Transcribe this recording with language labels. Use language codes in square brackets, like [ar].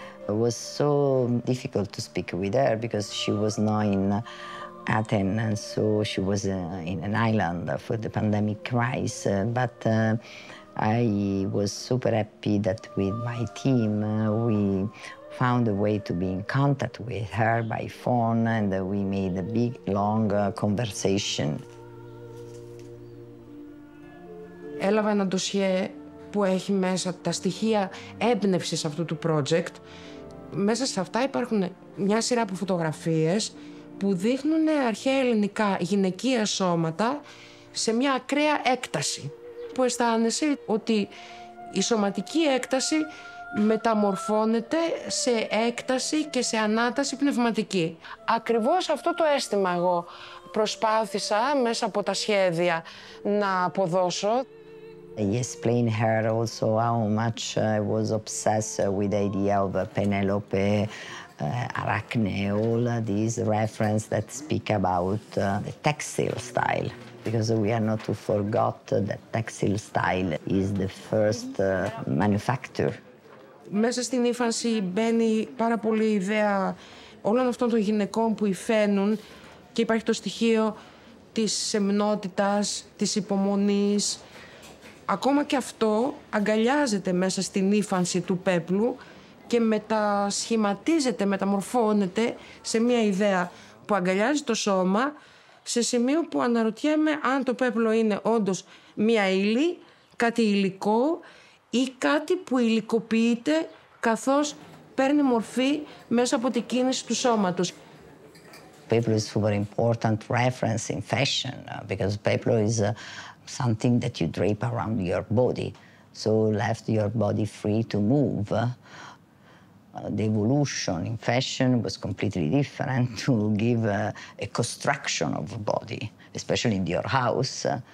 [en] It was so difficult to speak with her because she was not in Athens, and so she was in an island for the pandemic crisis. But I was super happy that with my team, we found a way to be in contact with her by phone, and we made a big, long conversation. [el] Έλαβα ένα ντοσιέ που έχει μέσα τα στοιχεία έμπνευσης αυτού του project. Μέσα σε αυτά υπάρχουν μια σειρά από φωτογραφίες που δείχνουν αρχαία ελληνικά γυναικεία σώματα σε μια ακραία έκταση, που αισθάνεσαι ότι η σωματική έκταση μεταμορφώνεται σε έκταση και σε ανάταση πνευματική. Ακριβώς αυτό το αίσθημα εγώ προσπάθησα μέσα από τα σχέδια να αποδώσω. [en] He explained her also how much I was obsessed with the idea of Penelope, Arachne, all these references that speak about the textile style. Because we are not to forget that textile style is the first manufacturer. [el] Μέσα στην ύφανση μπαίνει πάρα πολύ η ιδέα όλων αυτών των γυναικών που υφαίνουν και υπάρχει το στοιχείο της σεμνότητας, της υπομονής. Ακόμα και αυτό αγκαλιάζεται μέσα στην ύφανση του πέπλου και μετασχηματίζεται, μεταμορφώνεται σε μια ιδέα που αγκαλιάζει το σώμα σε σημείο που αναρωτιέμαι αν το πέπλο είναι όντως μια ύλη, κάτι υλικό ή κάτι που υλικοποιείται καθώς παίρνει μορφή μέσα από την κίνηση του σώματος. [en] Πέπλο είναι super important reference in fashion because πέπλο is something that you drape around your body, so left your body free to move. The evolution in fashion was completely different to give a construction of a body, especially in your house.